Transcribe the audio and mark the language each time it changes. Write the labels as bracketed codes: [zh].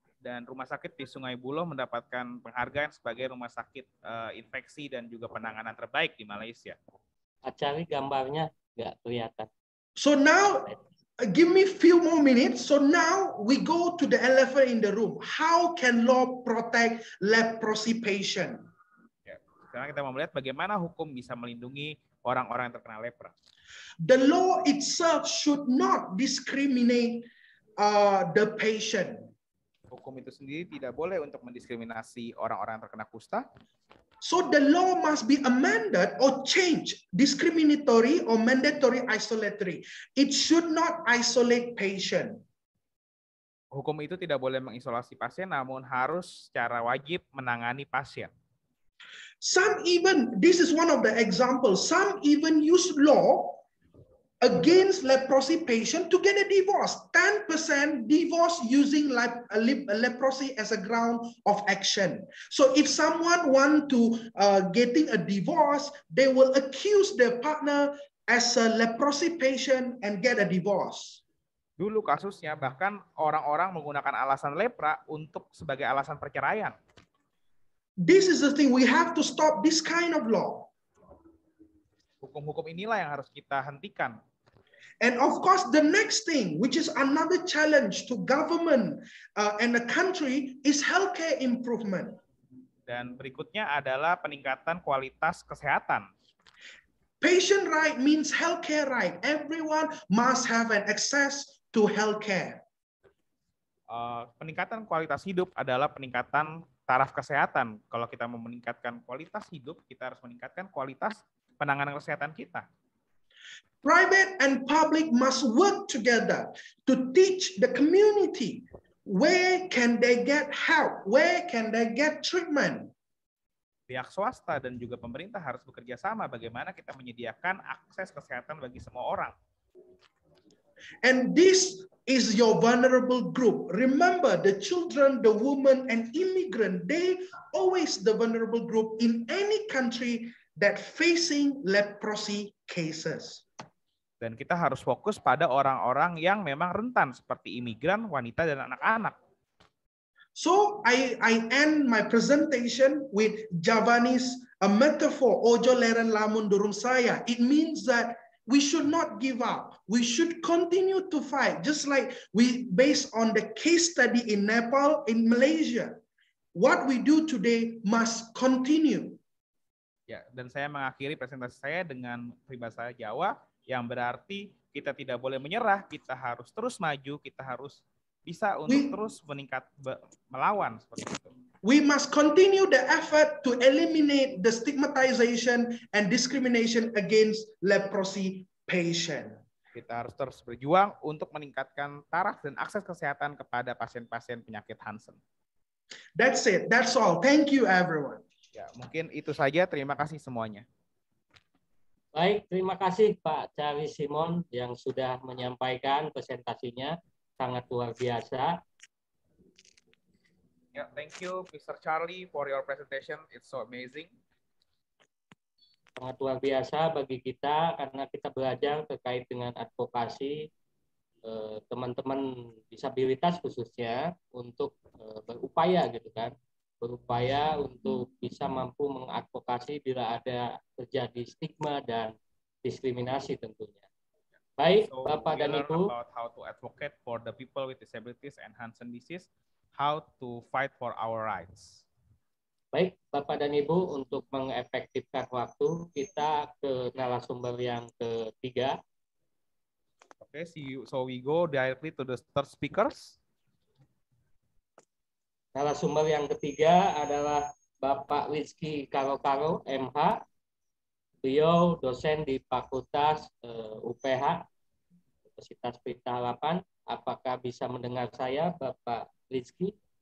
[id] Dan rumah sakit di Sungai Buloh mendapatkan penghargaan sebagai rumah sakit infeksi dan juga penanganan terbaik di Malaysia. Acari gambarnya nggak kelihatan. [en] So now, give me few more minutes. So now we go to the elephant in the room. How can law protect leprosy patient? [id] Sekarang kita mau melihat bagaimana hukum bisa melindungi orang-orang yang terkena lepra. [en] The law itself should not discriminate the patient. [id] Hukum itu sendiri tidak boleh untuk mendiskriminasi orang-orang yang terkena kusta. [en] So the law must be amended or changed, discriminatory or mandatory isolatory. It should not isolate patient. [id] Hukum itu tidak boleh mengisolasi pasien, namun harus secara wajib menangani pasien. [en] Some even, this is one of the examples, some even use law against leprosy patient to get a divorce. 10% divorce using leprosy as a ground of action. So if someone want to getting a divorce, they will accuse their partner as a leprosy patient and get a divorce. [id] Dulu kasusnya bahkan orang-orang menggunakan alasan lepra untuk sebagai alasan perceraian. [en] This is the thing, we have to stop this kind of law. [id] Hukum-hukum inilah yang harus kita hentikan. [en] And of course the next thing, which is another challenge to government and the country, is healthcare improvement. [id] Dan berikutnya adalah peningkatan kualitas kesehatan. [en] Patient right means healthcare right. Everyone must have an access to healthcare. [id] Peningkatan kualitas hidup adalah peningkatan taraf kesehatan. Kalau kita mau meningkatkan kualitas hidup, kita harus meningkatkan kualitas penanganan kesehatan kita. [en] Private and public must work together to teach the community where can they get help, where can they get treatment. [id] Pihak swasta dan juga pemerintah harus bekerja sama bagaimana kita menyediakan akses kesehatan bagi semua orang. [en] And this is your vulnerable group. Remember, the children, the women, and immigrant, they always the vulnerable group in any country that facing leprosy cases. [id] Dan kita harus fokus pada orang-orang yang memang rentan, seperti imigran, wanita, dan anak-anak. [en] So I end my presentation with Javanese a metaphor, [jv] ojo leren lamun durung saya. [en] It means that we should not give up. We should continue to fight, just like we based on the case study in Nepal, in Malaysia. What we do today must continue. [id] Ya, dan saya mengakhiri presentasi saya dengan peribahasa Jawa yang berarti kita tidak boleh menyerah, kita harus terus maju, kita harus bisa untuk terus meningkat melawan seperti itu. [en] We must continue the effort to eliminate the stigmatization and discrimination against leprosy patient. [id] Kita harus terus berjuang untuk meningkatkan taraf dan akses kesehatan kepada pasien-pasien penyakit Hansen. [en] That's it. That's all. Thank you everyone. [id] Ya, mungkin itu saja. Terima kasih semuanya. Baik, terima kasih Pak Charlie Simon yang sudah menyampaikan presentasinya. Sangat luar biasa. [en] Yeah, thank you, Mr. Charlie, for your presentation. It's so amazing. [id] Sangat luar biasa bagi kita, karena kita belajar terkait dengan advokasi teman-teman disabilitas khususnya untuk berupaya, gitu kan. Berupaya untuk bisa mampu mengadvokasi bila ada terjadi stigma dan diskriminasi tentunya. Baik, [en] so [id] Bapak dan Ibu. [en] About how to advocate for the people with disabilities and Hansen disease, how to fight for our rights. [id] Baik, Bapak dan Ibu, untuk mengefektifkan waktu, kita ke narasumber yang ketiga. [en] Okay, so we go directly to the third speakers. [id] Narasumber yang ketiga adalah Bapak Rizky Karo-Karo, MH. Beliau dosen di Fakultas UPH, Universitas Pelita Harapan. Apakah bisa mendengar saya, Bapak Rizky?